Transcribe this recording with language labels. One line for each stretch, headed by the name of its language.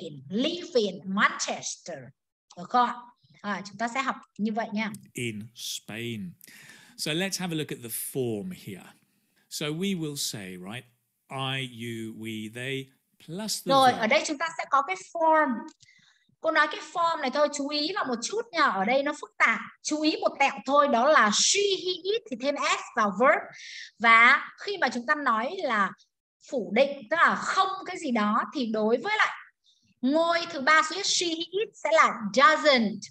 English: Live in Manchester.
Vietnamese: Được không? Chúng ta sẽ học như vậy nha.
English: In Spain. So let's have a look at the form here. So we will say, right? I, you, we, they, plus the rồi verb.
Vietnamese: Ở đây chúng ta sẽ có cái form. Cô nói cái form này thôi, chú ý vào một chút nha. Ở đây nó phức tạp. Chú ý một tẹo thôi, đó là she, he, it thì thêm s vào verb. Và khi mà chúng ta nói là phủ định, tức là không cái gì đó, thì đối với lại ngôi thứ ba suy nhất she, he, it sẽ là doesn't.